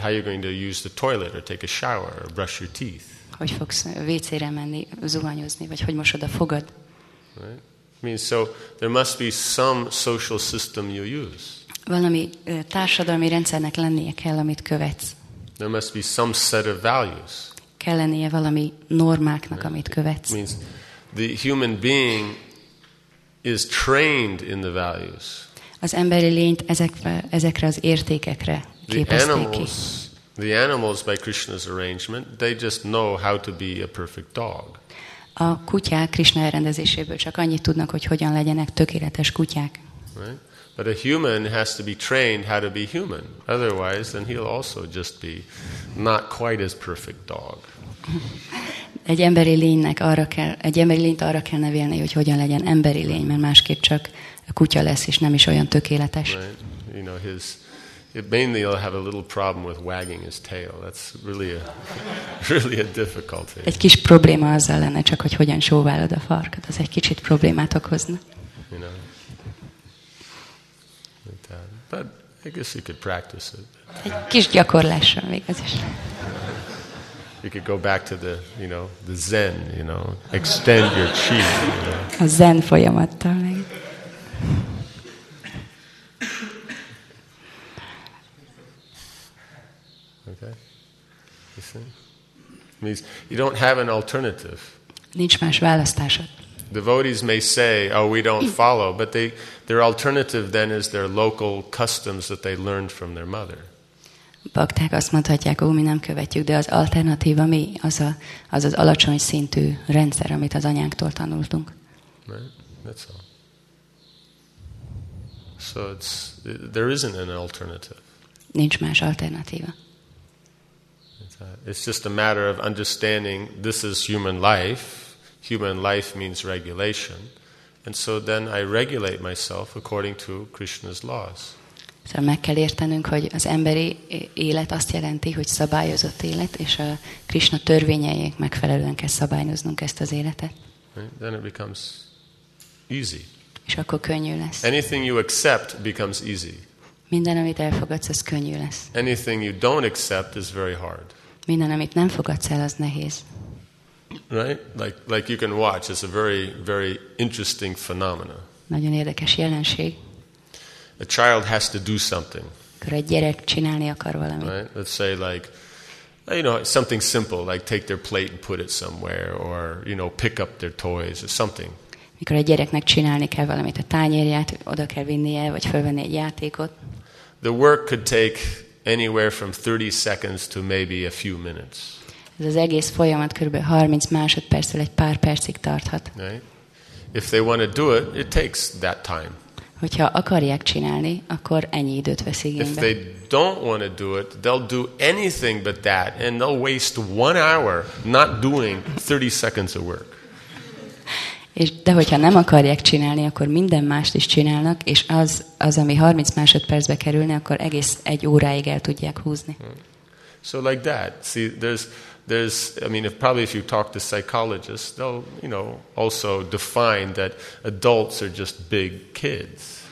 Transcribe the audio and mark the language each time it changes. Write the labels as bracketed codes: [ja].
[en] How you going to use the toilet or take a shower or brush your teeth? [hu] Hogy fogsz WC-re menni, zuhanyozni, vagy hogy mosod a fogad? [en] Right? I mean, so there must be some social system you use. [hu] Valami társadalmi rendszernek lennie kell, amit követsz. [en] There must be some set of values. [hu] Kell lennie valami normáknak, right? Amit követsz. [en] Means the human being is trained in the values. [hu] Az emberi lényt ezekre az értékekre képezték ki. [en] The animals by Krishna's arrangement, they just know how to be a perfect dog. [hu] A kutyák Krishna elrendezéséből csak annyit tudnak, hogy hogyan legyenek tökéletes kutyák. [en] Right? But a human has to be trained how to be human. Otherwise, then he'll also just be not quite as perfect dog. [hu] Egy emberi lényt arra kell nevelni, hogy hogyan legyen emberi lény, mert másképp csak kutya lesz, és nem is olyan tökéletes. [en] Right. You know, his mainly he'll have a little problem with wagging his tail. That's really a difficulty. [hu] Egy kis probléma azzal lenne, csak hogy hogyan sóválod a farkat, az egy kicsit problémát okozna. [en] You know. But I guess you could practice it. [hu] Egy kis gyakorlással még az is. [en] You could go back to the Zen, you know, extend your chi. You know. [hu] A Zen folyamattal meg. [en] Okay. You see? Means you don't have an alternative. [hu] Nincs más választásod. [en] Devotees may say, "Oh, we don't follow," but their alternative then is their local customs that they learned from their mother. [hu] Bakták azt mondhatják, "Ó, mi nem követjük," de az alternatíva mi? Az alacsony szintű rendszer, amit az anyánktól tanultunk. [en] Right? That's all. So there isn't an alternative. [hu] Nincs más alternatíva. [en] It's just a matter of understanding this is human life. Human life means regulation, and so then I regulate myself according to Krishna's laws. [hu] So meg kell értenünk, hogy az emberi élet azt jelenti, hogy szabályozott élet, és a Krishna törvényeinek megfelelően kell szabályoznunk ezt az életet. [en] Right? Then it becomes easy. [hu] És akkor könnyű lesz. [en] Anything you accept becomes easy. [hu] Minden, amit elfogadsz, az könnyű lesz. [en] Anything you don't accept is very hard. [hu] Minden, amit nem fogadsz el, az nehéz. [en] Right, like you can watch. It's a very, very interesting phenomena. [hu] Nagyon érdekes jelenség. [en] A child has to do something. [hu] Akkor egy gyerek csinálni akar valamit. [en] Right, let's say like, you know, something simple, like take their plate and put it somewhere, or you know, pick up their toys or something. [hu] Mikor egy gyereknek csinálni kell valamit, a tányérját oda kell vinnie, vagy fölvenni egy játékot. [en] The work could take anywhere from 30 seconds to maybe a few minutes. [hu] Ez az egész folyamat kb. 30 másodperccel egy pár percig tarthat. [en] Right? If they want to do it, it takes that time. [hu] Hogyha akarják csinálni, akkor ennyi időt vesz igénybe. [en] If they don't want to do it, they'll do anything but that, and they'll waste 1 hour not doing 30 seconds of work. [hu] És de hogyha nem akarják csinálni, akkor minden mást is csinálnak, és az ami 30 másodpercbe kerülne, akkor egész egy óráig el tudják húzni. [en] So like that. See, there's I mean, if you talk to psychologists, they'll, you know, also define that adults are just big kids.